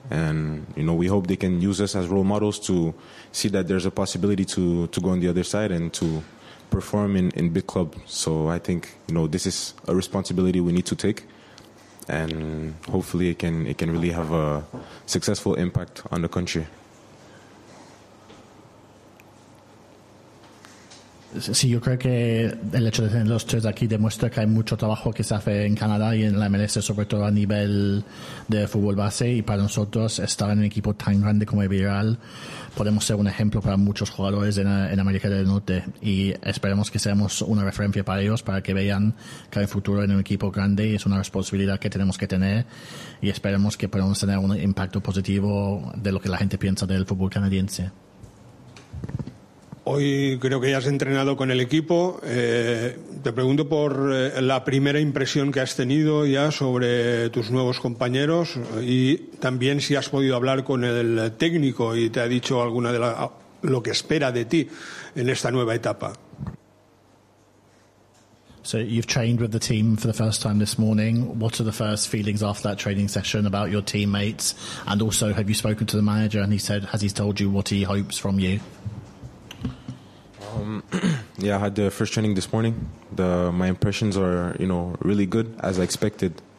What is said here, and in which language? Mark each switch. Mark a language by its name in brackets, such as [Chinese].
[English] And, you know, we hope they can use us as role models to see that there's a possibility to go on the other side and to perform in big clubs. So I think, you know, this is a responsibility we need to take. And hopefully it can really have a successful impact on the country. [Spanish] Sí, yo creo que el hecho de tener los tres aquí demuestra que hay mucho trabajo que se hace en Canadá y en la MLS, sobre todo a nivel de fútbol base. Y para nosotros, estar en un equipo tan grande como el Villarreal, podemos ser un ejemplo para muchos jugadores en América del Norte. Y esperemos que seamos una referencia para ellos, para que vean que hay futuro en un equipo grande y es una responsabilidad que tenemos que tener. Y esperemos que podamos tener un impacto positivo de lo que la gente piensa del fútbol canadiense. Hoy creo que ya has entrenado con el equipo. Te pregunto por la primera impresión que has tenido ya sobre tus nuevos compañeros y también si has podido hablar con el técnico y te ha dicho alguna de lo que espera de ti en esta nueva etapa. [English] So you've trained with the team for the first time this morning. What are the first feelings after that training session about your teammates? And also, have you spoken to the manager and has he told you what he hopes from you? Yeah, I had the first training this morning. My impressions are, you know, really good, as I expected.